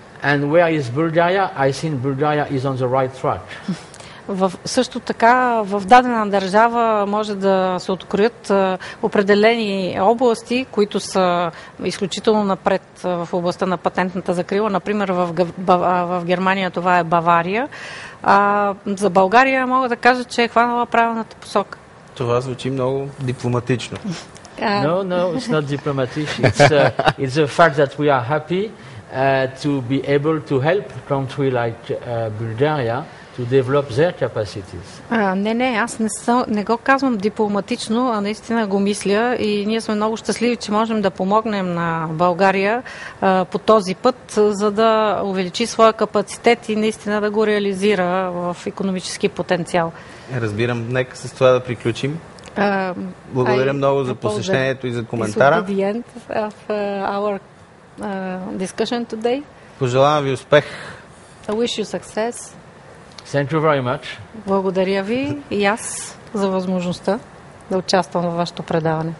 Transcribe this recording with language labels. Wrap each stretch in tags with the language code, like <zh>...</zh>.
<en>And where is Bulgaria? I think Bulgaria is on the right track.</en> <bg>Също така, в дадена държава може да се откроят определени области, които са изключително напред в областта на патентната закрила. Например, в Германия това е Бавария. За България мога да кажа, че е хванала правилната посока. Това звучи много дипломатично.</bg> <en>No, it's not diplomatic. It's the fact that we are happy to be able to help a country like Bulgaria to to develop their capacities.</en> <bg>Не го казвам дипломатично, а наистина го мисля и ние сме много щастливи, че можем да помогнем на България по този път, за да увеличи своя капацитет и наистина да го реализира в икономически потенциал. Разбирам, нека с това да приключим. Благодаря много за посещението и за коментара.</bg> <en>This is the end of our discussion today.</en> <bg>Пожелавам ви успех.</bg> <en>I wish you success. Thank you very much.</en> <bg>Благодаря ви и аз за възможността да участвам във вашето предаване.</bg>